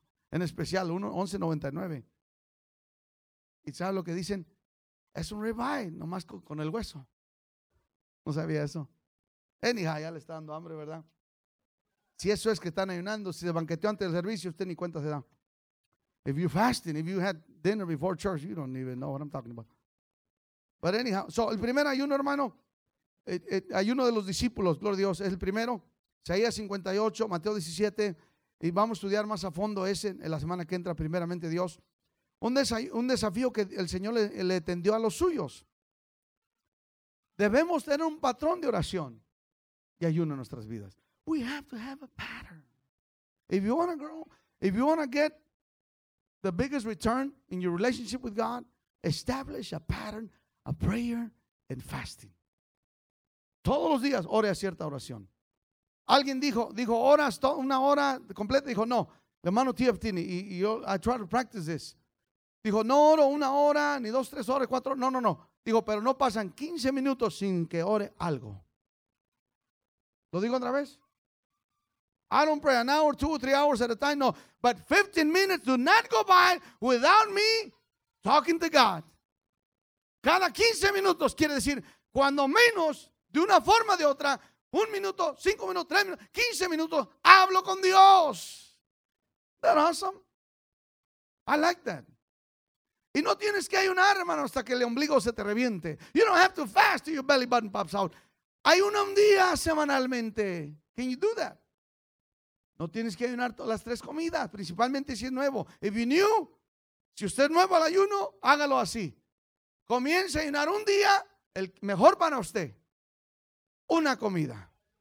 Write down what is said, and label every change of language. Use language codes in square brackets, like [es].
[es] En especial, $11.99. ¿Y sabes lo que dicen? Es un ribeye, nomás con el hueso. No sabía eso. [en] Anyhow, [es] ya le está dando hambre, ¿verdad? Si eso es que están ayunando, si se banqueteó antes del servicio, usted ni cuenta se da. [en] If you're fasting, if you had dinner before church, you don't even know what I'm talking about. But anyhow, so [es] el primer ayuno, hermano, ayuno de los discípulos, gloria a Dios, es el primero. Isaías 58, Mateo 17, y vamos a estudiar más a fondo ese en la semana que entra, primeramente Dios. Un desafío que el Señor le tendió a los suyos. Debemos tener un patrón de oración y ayuno en nuestras vidas. [en] We have to have a pattern. If you want to grow, if you want to get the biggest return in your relationship with God, establish a pattern of prayer and fasting. [es] Todos los días ore a cierta oración. Alguien dijo horas, una hora completa. Dijo, no, la mano tía tiene. Y yo, [en] I try to practice this. [es] Dijo, no oro una hora, ni dos, tres horas, cuatro. No. Dijo, pero no pasan 15 minutos sin que ore algo. ¿Lo digo otra vez? [en] I don't pray an hour, two, three hours at a time, no. But 15 minutes do not go by without me talking to God. [es] Cada 15 minutos quiere decir, cuando menos, de una forma o de otra, un minuto, cinco minutos, tres minutos, 15 minutos, hablo con Dios. [en] That awesome? I like that. [es] Y no tienes que ayunar, hermano, hasta que el ombligo se te reviente. [en] You don't have to fast till your belly button pops out. [es] Ayuna un día semanalmente. [en] Can you do that? [es] No tienes que ayunar todas las tres comidas, principalmente si es nuevo. [en] If you're new, [es] si usted es nuevo al ayuno, hágalo así. Comience a ayunar un día, el mejor para usted. Una comida.